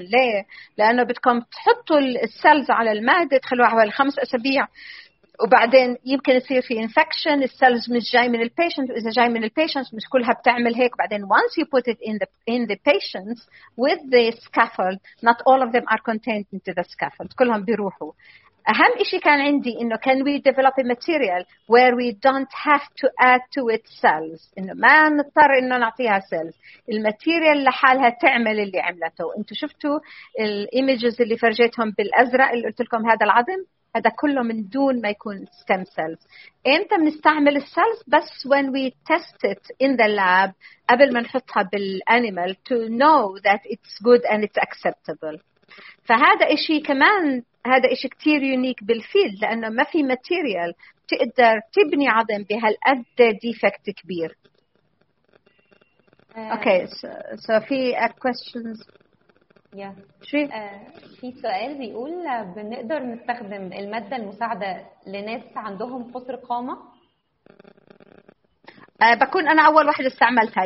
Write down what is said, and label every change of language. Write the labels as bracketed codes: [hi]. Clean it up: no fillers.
[ar] ليه؟ لأنه بدكم تحطوا السيلز على المادة تخلوها حوالي 5 أسابيع, وبعدين يمكن يصير في infection, السيلز مش جاي من البيشنت, وإذا جاي من البيشنت مش كلها بتعمل هيك. [en] بعدين once you put it in the patients with the scaffold, not all of them are contained into the scaffold, [ar] كلهم بيروحوا. أهم إشي كان عندي إنه [en] can we develop a material where we don't have to add to it cells, [ar] إنه ما نضطر إنه نعطيها cells, الماتيريال لحالها تعمل اللي عملته. أنتوا شفتوا الإيميجز اللي فرجيتهم بالأزرق اللي قلت لكم هذا العظم, هذا كله من دون ما يكون stem cells. إمتى بنستعمل [en] cells؟ بس when we test it in the lab [ar] قبل ما نحطها بالأنيمال [en] to know that it's good and it's acceptable. [ar] فهذا إشي كمان, هذا إشي كتير يونيك بالفيلد, لأنه ما في ماتيريال تقدر تبني عظم بهالقد ديفكت كبير. [en] Okay, so في questions. Yeah. [ar] في سؤال بيقول بنقدر نستخدم المادة المساعدة لناس عندهم قصر قامة؟ بكون أنا أول واحد استعملتها.